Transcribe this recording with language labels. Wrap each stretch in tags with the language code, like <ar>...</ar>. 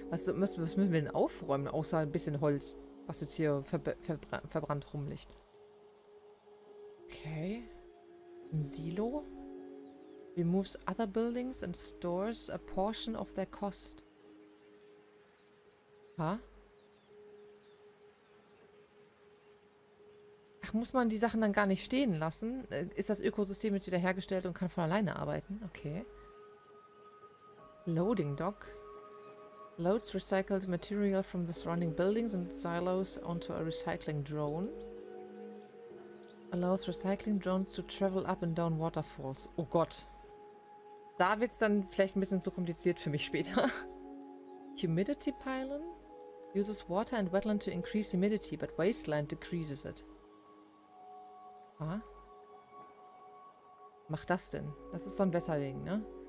<de>Was müssen wir denn aufräumen, außer ein bisschen Holz, was jetzt hier verbrannt rumliegt? Okay. Ein Silo.</de> <en>Removes other buildings and stores a portion of their cost. Ha?</en> <de>Ach, muss man die Sachen dann gar nicht stehen lassen? Ist das Ökosystem jetzt wieder hergestellt und kann von alleine arbeiten?</de> <en>Okay. Loading dock. Loads recycled material from the surrounding buildings and silos onto a recycling drone. Allows recycling drones to travel up and down waterfalls.</en> <de>Oh Gott. Da wird es dann vielleicht ein bisschen zu kompliziert für mich später.</de> <en>Humidity pylon. Uses water and wetland to increase humidity, but wasteland decreases it.</en> <de>Ah. Macht das denn? Das ist so ein Wetterding, ne?</de>